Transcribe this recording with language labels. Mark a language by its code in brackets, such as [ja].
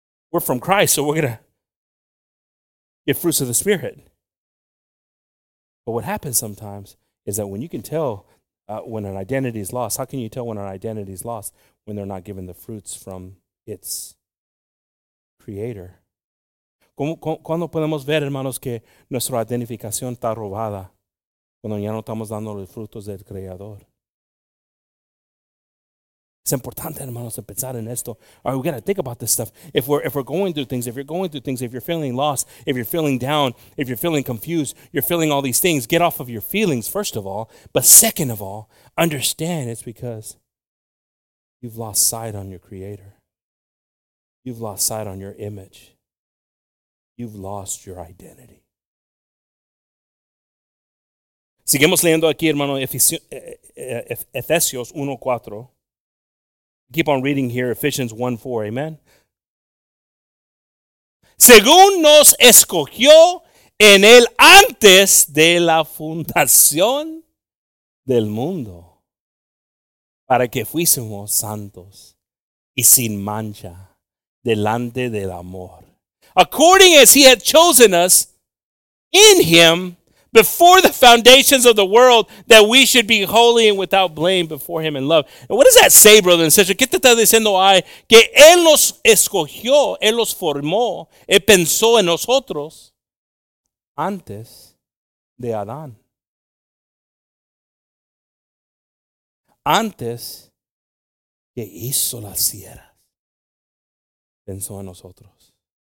[en] We're from Christ, so we're going to give fruits of the Spirit. But what happens sometimes is that when you can tell when an identity is lost, how can you tell when an identity is lost when they're not given the fruits from its creator? [es] ¿Cuándo podemos ver, hermanos, que nuestra identificación está robada? Cuando ya no estamos dando los frutos del creador. Es importante, hermanos, pensar en esto. [en] All right, we got to think about this stuff. If we're going through things, if you're going through things, if you're feeling lost, if you're feeling down, if you're feeling confused, you're feeling all these things, get off of your feelings, first of all. But second of all, understand it's because you've lost sight on your Creator. You've lost sight on your image. You've lost your identity. [es] Seguimos leyendo aquí, hermano, Efesios 1:4. [en] Keep on reading here, Ephesians 1:4, amen. [es] Según nos escogió en él antes de la fundación del mundo, para que fuésemos santos y sin mancha delante del amor. [en] According as he had chosen us in him before the foundations of the world, that we should be holy and without blame before him in love. And what does that say, brother and sister? [es] ¿Qué te está diciendo ahí? Que él nos escogió, él los formó, él pensó en nosotros antes de Adán. Antes que hizo la sierra, pensó en nosotros.